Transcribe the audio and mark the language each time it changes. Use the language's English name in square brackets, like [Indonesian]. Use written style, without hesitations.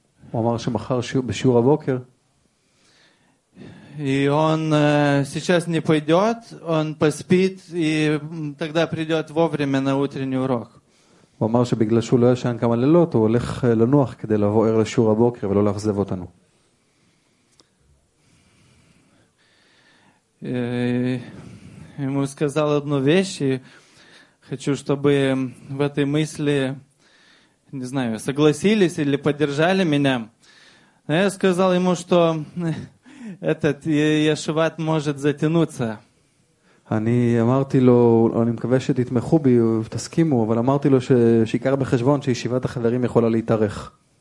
[Hebrew] הוא אמר שמחר בשיעור הבוקר. [Russian] И он сейчас не пойдет, он поспит, и тогда придет вовремя на утренний урок. [Hebrew] הוא אמר שבגלל שהוא לא ישן כמה לילות, הוא הולך לנוח כדי לבוא ער לשיעור הבוקר ולא לאכזב אותנו. [Russian] Ему сказал одну вещь, и хочу, чтобы в этой мысли, не знаю, согласились или поддержали меня. Но я сказал ему, что... этот [Hebrew] ישיבת [Russian] может затянуться. [Hebrew] אני אמרתי לו, אני מקווה שתתמכו בי ותסכימו, אבל אמרתי לו שיקר בחשבון שישיבת החברים יכולה להתארך.